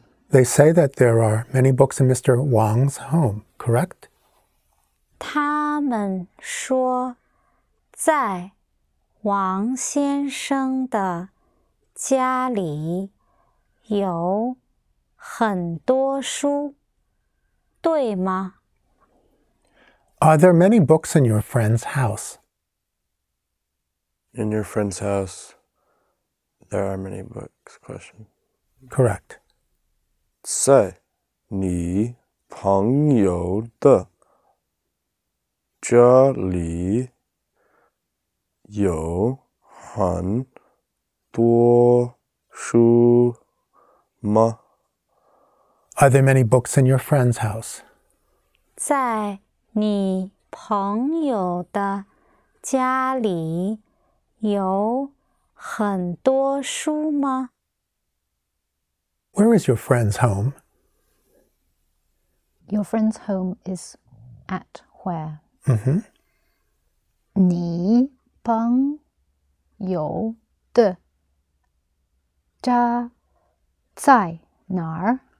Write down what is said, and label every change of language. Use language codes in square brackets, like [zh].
[en] They say that there are many books in Mr. Wang's home, correct? [zh] 他们说在王先生的家里有很多书,对吗? [en] Are there many books in your friend's house? In your friend's house, there are many books, question. Correct. [zh] 在你朋友的家里有很多书吗? [en] Are there many books in your friend's house? [zh] 在你朋友的家里有很多书吗? [en] Where is your friend's home? Your friend's home is at where? Mm-hmm. [zh] 你朋友的家在哪儿?